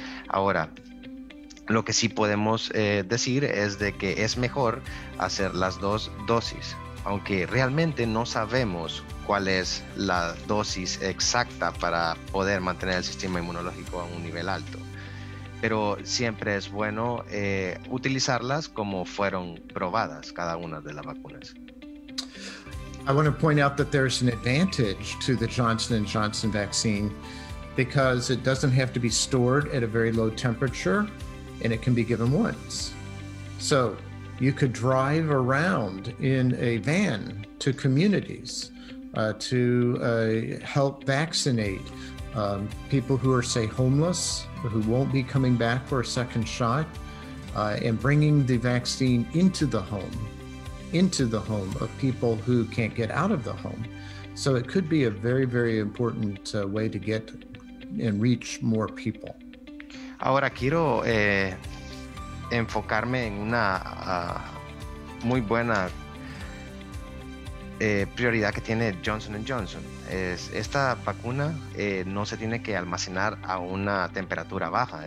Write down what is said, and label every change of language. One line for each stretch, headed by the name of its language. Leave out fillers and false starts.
Spanish: Ahora, lo que sí podemos decir es de que es mejor hacer las dos dosis, aunque realmente no sabemos cuál es la dosis exacta para poder mantener el sistema inmunológico a un nivel alto. Pero siempre es bueno utilizarlas como fueron probadas cada una de las vacunas.
English: I want to point out that there's an advantage to the Johnson & Johnson vaccine because it doesn't have to be stored at a very low temperature and it can be given once. So you could drive around in a van to communities to help vaccinate people who are, say, homeless, who won't be coming back for a second shot, and bringing the vaccine into the home of people who can't get out of the home. So it could be a very, very important way to get and reach more people.
Spanish: Ahora quiero enfocarme en una muy buena prioridad que tiene Johnson & Johnson. Esta vacuna no se tiene que almacenar a una temperatura baja.